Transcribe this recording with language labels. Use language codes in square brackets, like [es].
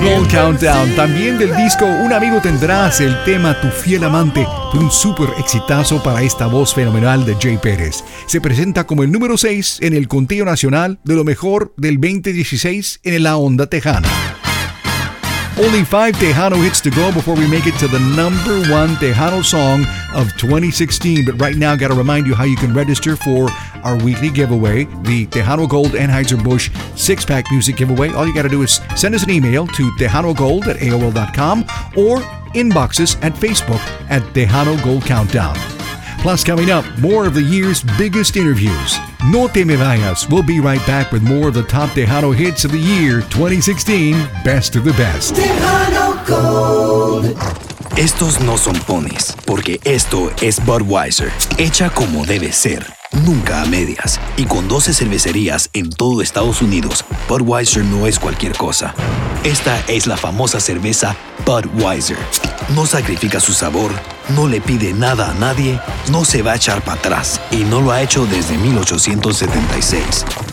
[es] Countdown, también del disco Un Amigo Tendrás, el tema Tu Fiel Amante, un súper exitazo para esta voz fenomenal de Jay Pérez. Se presenta como el número 6 en el conteo nacional de lo mejor del 2016 en La Onda Tejana. [en] Only 5 Tejano hits to go before we make it to the number 1 Tejano song of 2016. But right now, gotta remind you how you can register for our weekly giveaway, the Tejano Gold Anheuser-Busch 6-pack music giveaway. All you gotta do is send us an email to TejanoGold@AOL.com or inbox us at Facebook at Tejano Gold Countdown. Plus, coming up, more of the year's biggest interviews. [es] No te me vayas. [en] We'll be right back with more of the top Tejano hits of the year 2016, best of the best. Tejano Gold. [es] Estos no son ponis, porque esto es Budweiser, hecha como debe ser, nunca a medias. Y con 12 cervecerías en todo Estados Unidos, Budweiser no es cualquier cosa. Esta es la famosa cerveza Budweiser. No sacrifica su sabor, no le pide nada a nadie, no se va a echar para atrás y no lo ha hecho desde 1876.